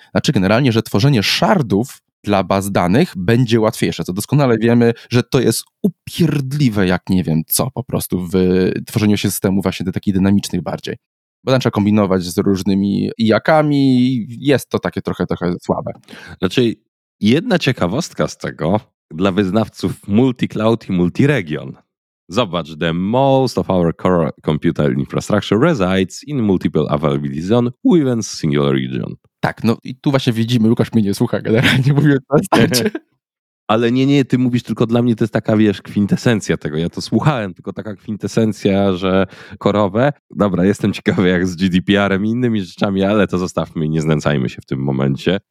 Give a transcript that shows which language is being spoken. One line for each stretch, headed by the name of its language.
Polish: Znaczy generalnie, że tworzenie shardów dla baz danych będzie łatwiejsze, co doskonale wiemy, że to jest upierdliwe jak nie wiem co po prostu w tworzeniu się systemu właśnie takich dynamicznych bardziej. Bo trzeba kombinować z różnymi IAK-ami, jest to takie trochę słabe. Znaczy jedna ciekawostka z tego dla wyznawców multi-cloud i multi-region. Zobacz,
English: the most of our core computer infrastructure resides in multiple availability zone within single region.
Polish: Tak, no i tu właśnie widzimy, Łukasz mnie nie słucha generalnie, mówię to zasadzie. Ale nie, ty mówisz, tylko dla mnie to jest taka, wiesz, kwintesencja tego. Ja to słuchałem, tylko taka kwintesencja, że korowe. Dobra, jestem ciekawy jak z GDPR-em i innymi rzeczami, ale to zostawmy i nie znęcajmy się w tym momencie.